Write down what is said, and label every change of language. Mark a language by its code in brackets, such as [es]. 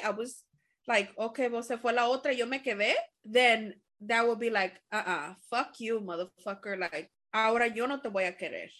[en] I was like, okay, [es] vos se fue la otra, yo me quedé. [en] Then that would be like, fuck you, motherfucker. [es] Like, ahora yo no te voy a querer.